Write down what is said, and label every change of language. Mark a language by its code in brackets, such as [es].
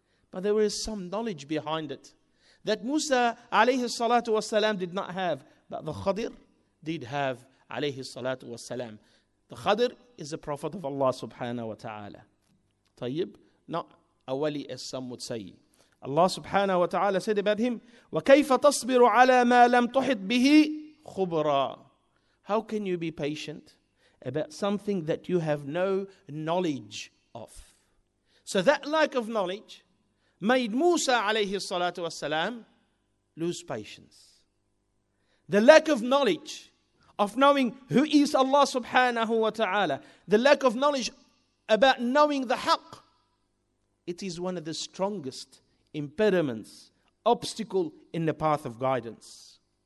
[en] But there is some knowledge behind it that Musa alayhi salatu wasalam did not have, but the Khadr did have alayhi salatu wasalam. The Khadr is the prophet of Allah subhanahu wa ta'ala. Tayyib. Not a wali, as some would say. Allah subhanahu wa ta'ala said about him, [ar] وَكَيْفَ تَصْبِرُ عَلَى مَا لَمْ تُحِطْ بِهِ خُبْرًا. [en] How can you be patient about something that you have no knowledge of? So that lack of knowledge made Musa alayhi salatu wasalam lose patience. The lack of knowledge of knowing who is Allah subhanahu wa ta'ala, the lack of knowledge about knowing the haqq, it is one of the strongest impediments, obstacle in the path of guidance.